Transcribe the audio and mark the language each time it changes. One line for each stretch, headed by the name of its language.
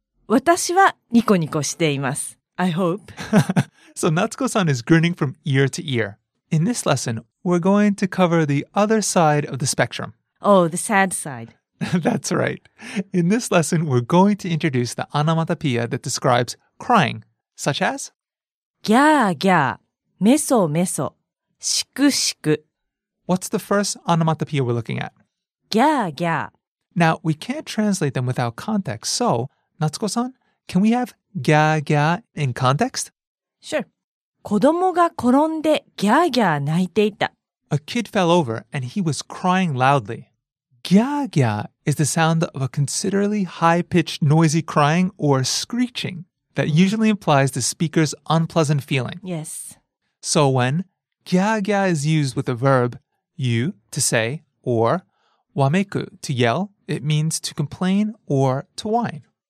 Japanese: 私はニコニコしています。
English: I hope. So, 夏子さん is grinning from ear to ear. In this lesson, we're going to cover the other side of the spectrum. Oh, the sad side. That's right. In this lesson, we're going to introduce the onomatopoeia that describes crying, such as
Japanese: ギャーギャー、メソメソ、シクシク。
English: What's the first onomatopoeia we're looking at?
Japanese: ギャーギャ
English: ー。 Now, we can't translate them without context, so, Natsuko-san, can we have ギャーギャー in context? Sure.
Japanese: 子供が転んでギャーギャー泣いていた。
English: A kid fell over and he was crying loudly. ギャーギャー is the sound of a considerably high-pitched noisy crying or screeching that usually implies the speaker's unpleasant feeling. Yes. So when ギャーギャー is used with a verb, you, to say, orわめく, to yell, it means to complain or to whine.